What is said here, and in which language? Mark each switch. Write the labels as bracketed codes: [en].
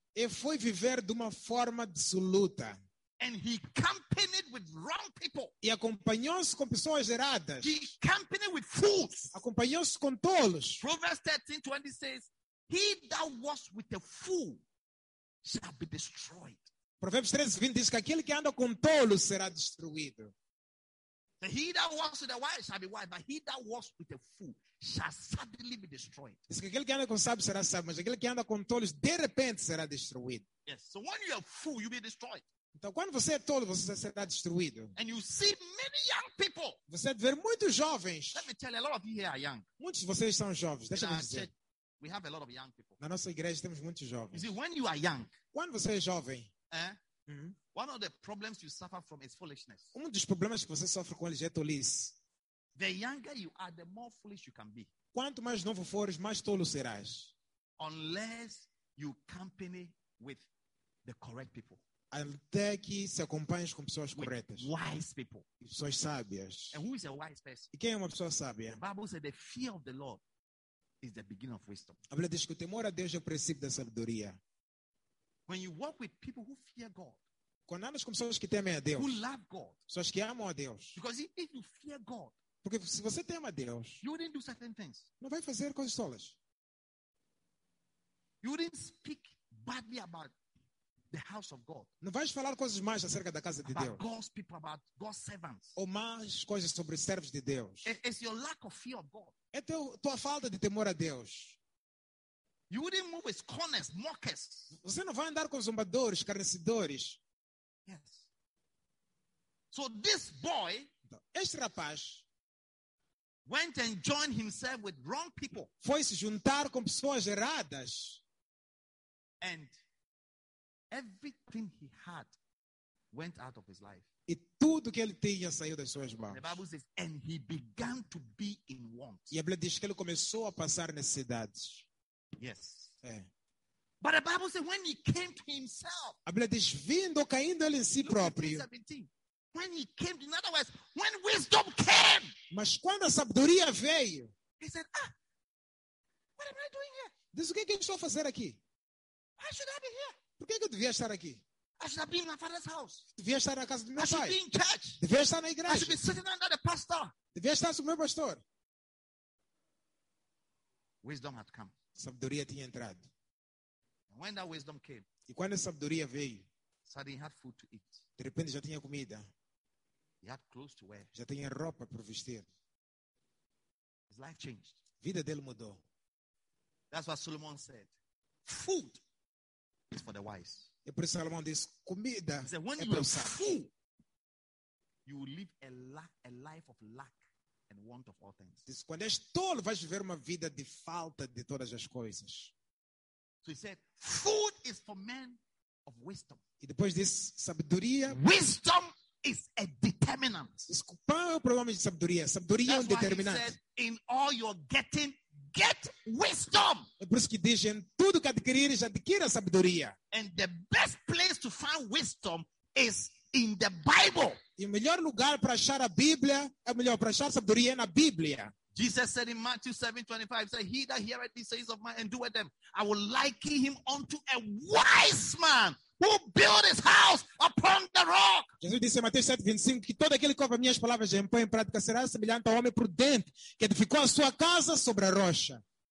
[pt] E foi viver de uma forma dissoluta. [en] And he accompanied with wrong people. [pt] E acompanhou-se com pessoas erradas. [en] He accompanied with fools. [pt] Acompanhou-se com tolos. [en] Proverbs 13:20 says, "He that walks with a fool shall be destroyed." [pt] Provérbios 13:20 diz que aquele que anda com tolos será destruído. [en] The he that walks with the wise shall be wise, but he that walks with a fool shall suddenly be destroyed. [pt] Diz que aquele que anda com sábio será sábio, mas aquele que anda com tolos de repente será destruído. [en] Yes. So when you are fool, you be destroyed. [pt] Então quando você é tolo, você será destruído. [en] And you see many young people. [pt] Você vê muitos jovens. [en] Let me tell you, a lot of you here are young. [pt] Muitos de vocês são jovens. Deixa-me dizer. Church, [en] we have a lot of young people. [pt] Na nossa igreja temos muitos jovens. [en] You see, when you are young. [pt] Quando você é jovem. [en] One of the problems you suffer from is foolishness. [pt] Dos problemas que você sofre com eles é tolice. [en] The younger you are, the more foolish you can be. [pt] Quanto mais novo fores, mais tolo serás. [en] Unless you company with the correct people. [pt] até que se acompanhes com pessoas corretas. [en] With wise people. [pt] Pessoas sábias. [en] And who is a wise person? [pt] E quem é uma pessoa sábia? [en] The Bible says the fear of the Lord is the beginning of wisdom. [pt] A Bíblia diz que o temor a Deus é o princípio da sabedoria. [en] When you walk with people who fear God. [pt] Quando andas com pessoas que temem a Deus. [en] Who love God. [pt] Pessoas que amam a Deus. [en] Because if you fear God. [pt] Porque se você teme a Deus. [en] You wouldn't do certain things. [pt] Não vai fazer coisas tolas. [en] You wouldn't speak badly about the house of God. [pt] Não vais falar coisas más acerca da casa [en] about [pt] de Deus. [en] God's people, about God's servants. [pt] Ou más coisas sobre servos de Deus. [en] It's your lack of fear of God. [pt] É tua falta de temor a Deus. [en] You wouldn't move with scorners, mockers. [pt] Você não vai andar com zombadores, carnecedores. [en] Yes. So this boy, [pt] este rapaz, [en] went and joined himself with wrong people. [pt] Foi se juntar com pessoas erradas. [en] And everything he had went out of his life. [pt] E tudo que ele tinha saiu das suas mãos. [en] The Bible says, and he began to be in want. [pt] E a Bíblia diz que ele começou a passar necessidades. [en] Yes. [pt] É. [en] But the Bible says, when he came to himself. [pt] A Bíblia diz, vindo, caindo ele em si próprio. [en] When he came, in other words, when wisdom came. [pt] Mas quando a sabedoria veio. [en] He said, what am I doing here? [pt] Diz, o que eu estou a fazer aqui? [en] Why should I be here? [pt] Por que eu devia estar aqui? [en] I should have been in my father's house. [pt] Devia estar na casa do meu [en] I should [pt] pai. [en] Be in church. [pt] Devia estar na igreja. [en] I should be sitting under the pastor. [pt] Devia estar com o meu pastor. [en] Wisdom had come. [pt] Sabedoria tinha entrado. [en] When that wisdom came, [pt] e quando a sabedoria veio, [en] suddenly he had food to eat. [pt] De repente já tinha comida. [en] He had clothes to wear. [pt] Já tinha roupa para vestir. [en] His life changed. [pt] Vida dele mudou. [en] That's what Solomon said. Food is for the wise. [pt] E por isso Solomon disse, comida [en] he said, when [pt] é [en] you [pt] para [en] are full, you will live a life of lack and want of all things. [pt] Diz, quando és tolo, vais viver uma vida de falta de todas as coisas. [en] So he said, food is for men of wisdom. [pt] E depois disse, sabedoria. [en] Wisdom is a determinant. [pt] Desculpa, o problema de sabedoria. Sabedoria [en] That's [pt] é um determinante. [en] He said, in all you're getting, get wisdom. [pt] É por isso que diz, em tudo que adquirires, adquira sabedoria. [en] And the best place to find wisdom is in the Bible. [pt] E o melhor lugar para achar a Bíblia, é melhor para achar sabedoria na Bíblia. [en] Jesus said in Matthew 7:25, he that heareth these sayings of mine and doeth them, I will liken him unto a wise man who built his house upon the rock. [pt] Jesus disse em Matthew 7:25, que todo aquele que ouve minhas palavras e põe em prática será semelhante ao homem prudente que edificou a sua casa sobre a rocha.